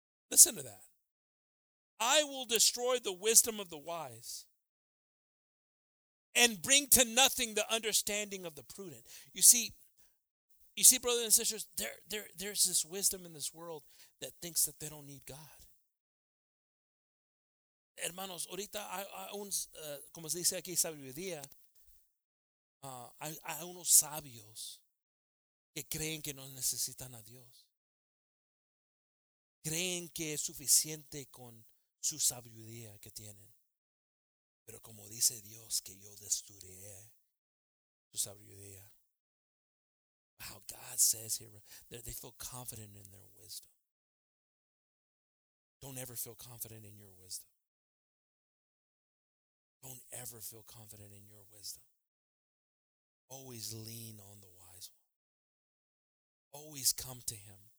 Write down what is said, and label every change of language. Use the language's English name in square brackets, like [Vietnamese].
[English] Listen to that. I will destroy the wisdom of the wise and bring to nothing the understanding of the prudent. You see, brothers and sisters, there's this wisdom in this world that thinks that they don't need God. [Spanish] Hermanos, ahorita hay unos, como se dice aquí, sabiduría. Hay unos sabios que creen que no necesitan a Dios. Creen que es suficiente con su sabiduría que tienen. Pero como dice Dios, que yo destruiré su sabiduría. [English] Wow, God says here, they feel confident in their wisdom. Don't ever feel confident in your wisdom. Don't ever feel confident in your wisdom. Always lean on the wise one. Always come to him.